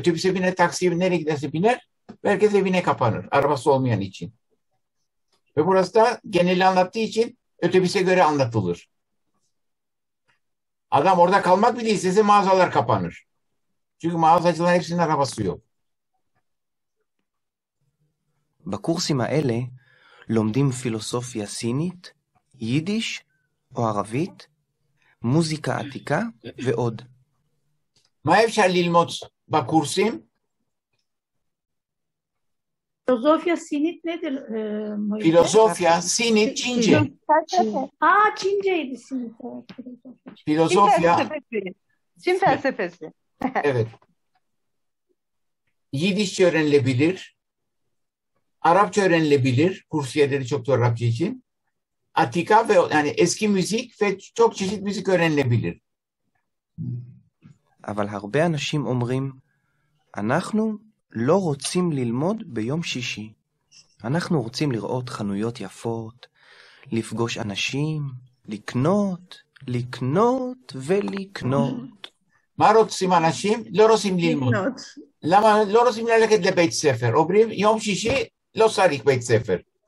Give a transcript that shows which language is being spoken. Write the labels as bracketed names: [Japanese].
[Turkish] Otobüse biner, taksiye nereye giderse biner. Herkes evine kapanır, arabası olmayan için. Ve burası da geneli anlattığı için otobüse göre anlatılır. Adam orada kalmak bile istese mağazalar kapanır. Çünkü mağazacıların hepsinin arabası yok. [Hebrew] בקורסים האלה לומדים פילוסופיה סינית, יידיש או ערבית, מוזיקה עתיקה ועוד. מה אפשר ללמוד בקורסים? [Turkish] Filozofya sinit nedir? Filozofya sinit Çince. Aa, Çinceydi sinit. Filozofya. Çin felsefesi. Evet. Yidişçe öğrenilebilir. Arapça öğrenilebilir. Kurs yerleri çok da Arapça için. Atika ve yani eski müzik ve çok çeşit müzik öğrenilebilir. [Hebrew] Aval harbe anashim omrim anahnu לא רוצים ללמוד ביום שישי. אנחנו רוצים לראות חנויות יפות, לפגוש אנשים, לקנות, לקנות ולקנות. מה רוצים אנשים? לא רוצים ללמוד. למה לא רוצים ללכת לבית ספר? אומרים, יום שישי לא צריך בית ספר.